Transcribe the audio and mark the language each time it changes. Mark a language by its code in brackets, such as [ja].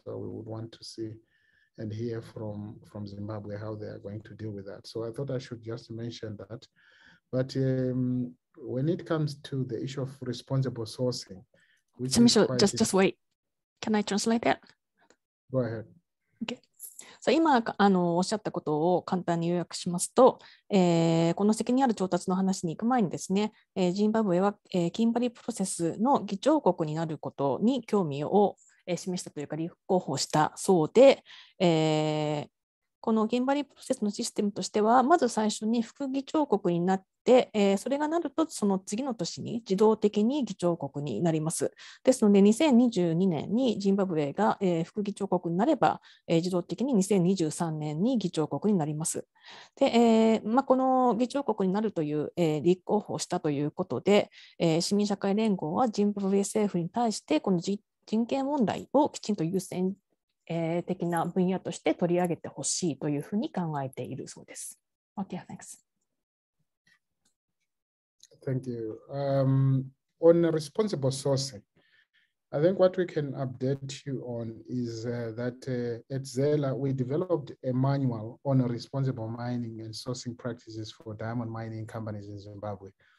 [en] So we would want to see and hear from Zimbabwe how they are going to deal with that. So I thought I should just mention that. But when it comes to the issue of responsible sourcing, which is quite just wait. Can I translate that? Go ahead. Okay. [ja] さあ今おっしゃったことを簡単に要約しますと、この責任ある調達の話に行く前にですね、ジンバブエは、キンバリープロセスの議長国になることに興味を、示したというか立候補したそうで、このキンバリープロセスのシステムとしてはまず最初に副議長国になって、それがなるとその次の年に自動的に議長国になります。ですので2022年にジンバブエが、副議長国になれば、自動的に2023年に議長国になります。で、この議長国になるという、立候補したということで、市民社会連合はジンバブエ政府に対してこの人権問題をきちんと優先的な分野として取り上げてほしいというふうに考えているそうです。 [en] Okay, thanks. Thank you. On responsible sourcing, I think what we can update you on is that at Zela, we developed a manual on responsible mining and sourcing practices for diamond mining companies in Zimbabwe.